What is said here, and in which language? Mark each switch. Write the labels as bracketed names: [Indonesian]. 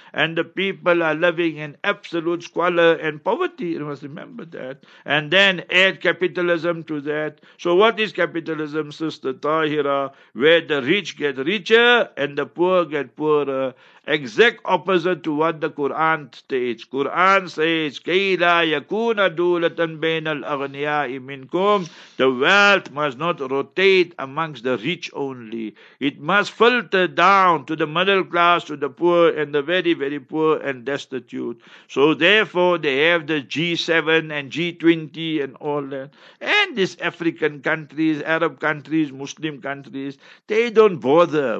[English] And the people are living in absolute squalor and poverty. You must remember that. And then add capitalism to that. So what is capitalism, Sister Tahira? Where the rich get richer and the poor get poorer. Exact opposite to what the Quran states. Quran says, [Arabic] كَيْلَا يَكُونَ دُولَةً بَيْنَ الْأَغْنِيَاءِ مِنْكُمْ. [English] The wealth must not rotate amongst the rich only. It must filter down to the middle class, to the poor, and the very, very poor and destitute. So therefore, they have the G7 and G20 and all that. And these African countries, Arab countries, Muslim countries, they don't bother.